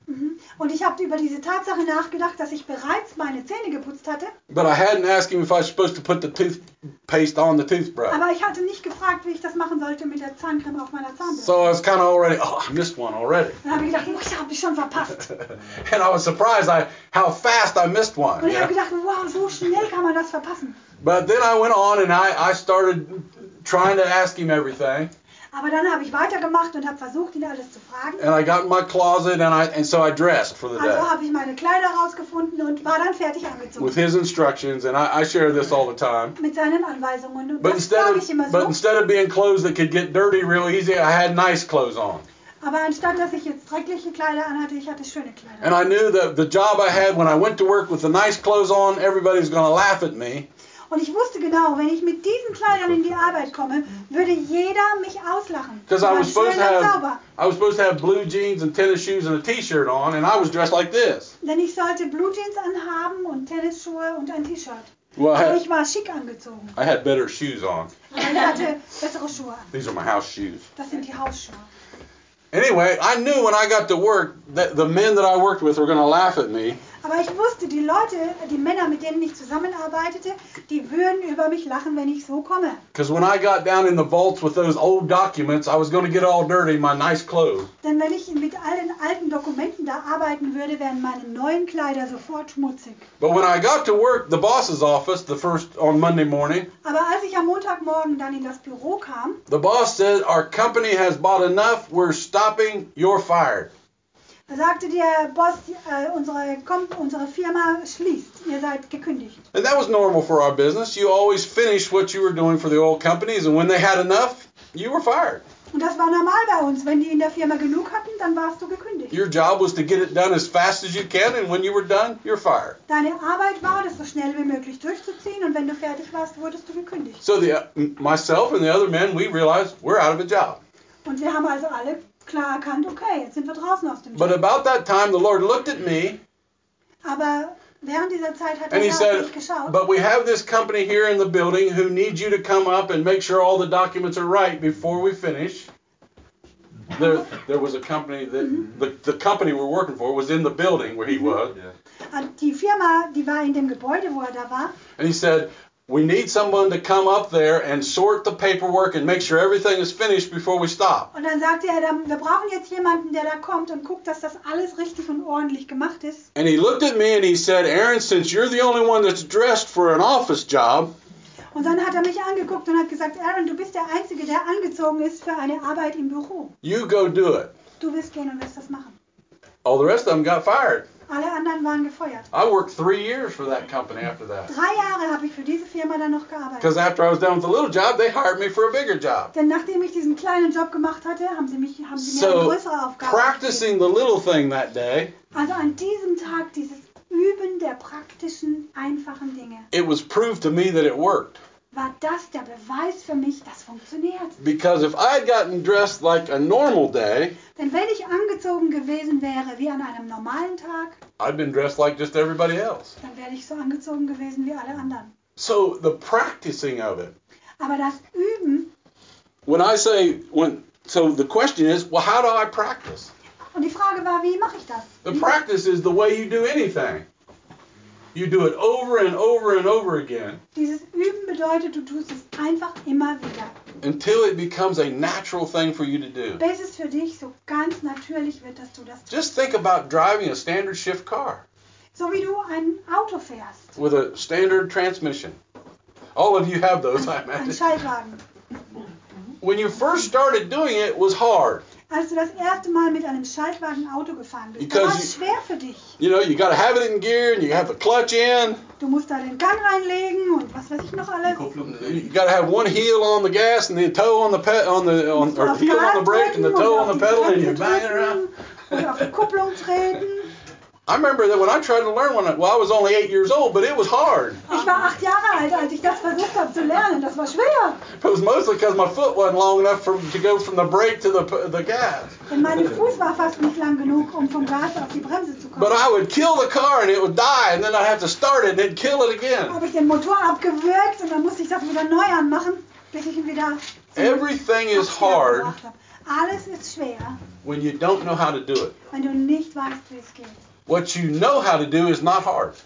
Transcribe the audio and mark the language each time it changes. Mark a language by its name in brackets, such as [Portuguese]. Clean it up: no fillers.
[German] Mm-hmm. Und ich habe über diese Tatsache nachgedacht, dass ich bereits meine Zähne geputzt hatte. [English] But I hadn't asked him if I was supposed to put the toothpaste on the toothbrush. [German] Aber ich hatte nicht gefragt, wie ich das machen sollte mit der Zahncreme auf meiner Zahnbürste. [English] So I was kind of already, oh, I missed one already. [German] Dann habe ich gedacht, oh, ich habe schon verpasst. [English] And I was surprised how fast I missed one. [German] Und ich habe gedacht, wow, so schnell kann man das verpassen. [English] But then I went on and I started trying to ask him everything. [German] Aber dann habe ich weitergemacht und habe versucht, ihn alles zu fragen. [English] And I got in my closet and so I dressed for the day. [German] Also habe ich meine Kleider rausgefunden und war dann fertig angezogen. [English] With his instructions, and I share this all the time. [German] Mit seinen Anweisungen. But [English] instead of being clothes that could get dirty real easy, I had nice clothes on. [German] Aber anstatt, dass ich jetzt dreckliche Kleider anhatte, ich hatte schöne Kleider. [English] And I knew that the job I had, when I went to work with the nice clothes on, everybody's going to laugh at me. [German] Und ich wusste genau, wenn ich mit diesen Kleidern in die Arbeit komme, würde jeder mich auslachen. [English] Because I was supposed to have blue jeans and tennis shoes and a T-shirt on, and I was dressed like this. [German] Denn ich sollte Blue Jeans anhaben und Tennisschuhe und ein T-Shirt. Well, also ich war schick angezogen. [English] I had better shoes on. [German] Ich hatte bessere Schuhe an. [English] These are my house shoes. [German] Das sind die Hausschuhe. [English] Anyway, I knew when I got to work that the men that I worked with were going to laugh at me. [German] Aber ich wusste, die Leute, die Männer, mit denen ich zusammenarbeitete, die würden über mich lachen, wenn ich so komme. [English] Because when I got down in the vaults with those old documents, I was going to get all dirty in my nice clothes. [German] Denn wenn ich mit all den alten Dokumenten da arbeiten würde, wären meine neuen Kleider sofort schmutzig. [English] But when I got to work, the boss's office, the first on Monday morning. [German] Aber als ich am Montagmorgen dann in das Büro kam. [English] The boss said, "Our company has bought enough. We're stopping. You're fired." [German] Da sagte der Boss, unsere Firma schließt, ihr seid gekündigt. [English] And that was normal for our business. You always finished what you were doing for the old companies, and when they had enough, you were fired. [German] Und das war normal bei uns. Wenn die in der Firma genug hatten, dann warst du gekündigt. [English] Your job was to get it done as fast as you can, and when you were done, you're fired. [German] Deine Arbeit war, das so schnell wie möglich durchzuziehen, und wenn du fertig warst, wurdest du gekündigt. [English] So the, myself and the other men, we realized we're out of a job. [German] Und wir haben also alle klar erkannt, okay, jetzt sind wir draußen auf dem [English] But [German] Job. [English] About that time, the Lord looked at me. [German] Aber während dieser Zeit hat [English] and [German] er [English] he said, [German] mich geschaut. [English] But we have this company here in the building who need you to come up and make sure all the documents are right before we finish. There was a company that the company we're working for was in the building where he was. Yeah. [German] Die Firma, die war in dem Gebäude, wo er da war. [English] And he said, we need someone to come up there and sort the paperwork and make sure everything is finished before we stop. [German] Und dann sagte er, wir brauchen jetzt jemanden, der da kommt und guckt, dass das alles richtig und ordentlich gemacht ist. [English] And he looked at me and he said, Aaron, since you're the only one that's dressed for an office job. [German] Und dann hat er mich angeguckt und hat gesagt, Aaron, du bist der Einzige, der angezogen ist für eine Arbeit im Büro. [English] You go do it. [German] Du wirst gehen und wirst das machen. [English] All the rest of them got fired. [German] Alle anderen waren gefeuert. [English] I worked 3 years for that company after that. [German] 3 Jahre habe ich für diese Firma dann noch gearbeitet. [English] Because after I was done with the little job, they hired me for a bigger job. [German] Denn nachdem ich diesen kleinen Job gemacht hatte, haben sie [English] so [German] mir eine größere Aufgabe gegeben. [English] Practicing the little thing that day. [German] Also an diesem Tag dieses Üben der praktischen einfachen Dinge. [English] It was proved to me that it worked. [German] War das der Beweis für mich, dass funktioniert? [English] Because if I had gotten dressed like a normal day, [German] denn wenn ich angezogen gewesen wäre wie an einem normalen Tag, [English] I'd been dressed like just everybody else. [German] Dann wäre ich so angezogen gewesen wie alle anderen. [English] So the practicing of it. [German] Aber das Üben. [English] So the question is, well, how do I practice? [German] Und die Frage war, wie mache ich das? [English] The practice is the way you do anything. You do it over and over and over again. [German] Dieses Üben bedeutet, du tust es einfach immer wieder. [English] Until it becomes a natural thing for you to do. [German] Bis es für dich so ganz natürlich wird, dass du das tust. [English] Just think about driving a standard shift car. [German] So wie du ein Auto fährst. [English] With a standard transmission. All of you have those, I imagine. [German] Ein Schaltwagen. [English] When you first started doing it, it was hard. [German] Als du das erste Mal mit einem Schaltwagen Auto gefahren bist, war es schwer für dich. [English] You know, you gotta have it in gear and you have the clutch in. [German] Du musst da den Gang reinlegen und was weiß ich noch alles. [English] You gotta have one heel on the gas and the toe on the heel on the brake and the toe on the pedal and you're banging around. [German] Und auf die Kupplung treten. [English] I remember that when I tried to learn one, well, I was only 8 years old, but it was hard. [German] Ich war 8 Jahre alt, als ich das versucht habe zu lernen. Das war schwer. [English] But it was mostly because my foot wasn't long enough to go from the brake to the gas. [German] Denn mein Fuß war fast nicht lang genug, um vom Gas auf die Bremse zu kommen. [English] But I would kill the car and it would die, and then I'd have to start it and then kill it again. [German] Habe ich den Motor abgewürgt und dann musste ich das wieder neu anmachen, bis ich ihn wieder. [English] Everything is hard. [German] Alles ist schwer. [English] When you don't know how to do it. [German] Wenn du nicht weißt, wie es geht. [English] What you know how to do is not hard.